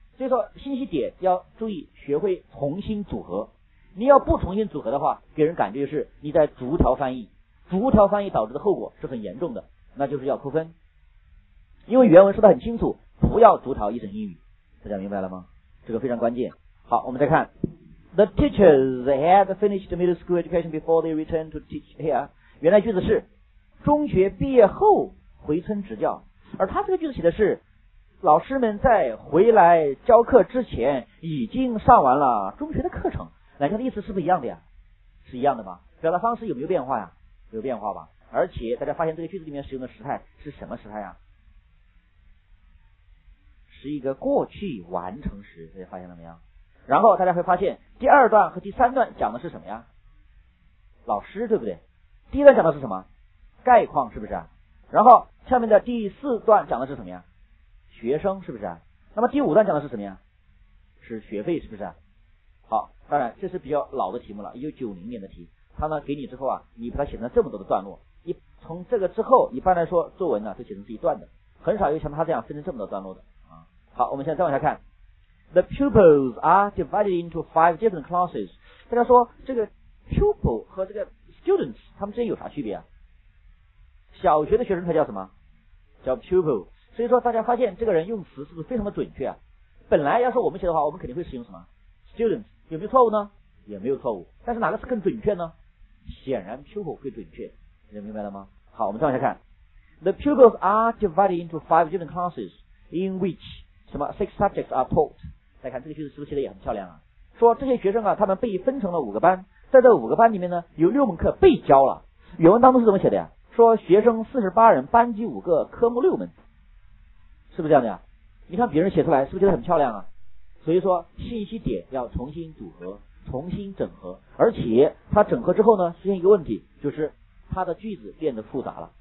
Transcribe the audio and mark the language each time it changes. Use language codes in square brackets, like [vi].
[zh] 所以说信息点要注意学会重新组合，你要不重新组合的话，给人感觉就是你在逐条翻译，逐条翻译导致的后果是很严重的，那就是要扣分。因为原文说得很清楚，不要逐条译成英语，大家明白了吗？这个非常关键。好，我们再看 [en] The teachers had finished middle school education before they returned to teach here。 [zh] 原来句子是中学毕业后回村执教，而他这个句子写的是老师们在回来教课之前已经上完了中学的课程，两个的意思是不一样的呀，是一样的吗？表达方式有没有变化呀？有变化吧。而且大家发现这个句子里面使用的时态是什么时态呀？是一个过去完成时，大家发现了没有？然后大家会发现第二段和第三段讲的是什么呀？老师，对不对？第一段讲的是什么？概况，是不是？然后下面的第四段讲的是什么呀？学生，是不是？那么第五段讲的是什么呀？是学费，是不是？好，当然这是比较老的题目了，1990年的题。他呢给你之后啊，你把它写成这么多的段落，你从这个之后，一般来说作文呢就写成是一段的，很少有像他这样分成这么多段落的啊。好，我们现在再往下看。 [en] The pupils are divided into 5 different classes. [zh] 大家说这个 pupil 和这个 students 他们之间有啥区别啊？小学的学生他叫什么？叫 pupil。所以说大家发现这个人用词是不是非常的准确啊？本来要是我们写的话，我们肯定会使用什么 students， 有没有错误呢？也没有错误。但是哪个是更准确呢？显然 pupil 更准确，你明白了吗？好，我们再往下看。 [en] The pupils are divided into 5 different classes in which [zh] 什么 [en] 6 subjects are taught。 [zh] 再看这个句子是不是写的也很漂亮啊？说这些学生啊，他们被分成了五个班，在这五个班里面呢有6门课被教了。原文当中是怎么写的呀？说学生48人，班级5个，科目6门，是不是这样的呀？你看别人写出来是不是觉得很漂亮啊？所以说信息点要重新组合，重新整合，而且它整合之后呢出现一个问题，就是它的句子变得复杂了。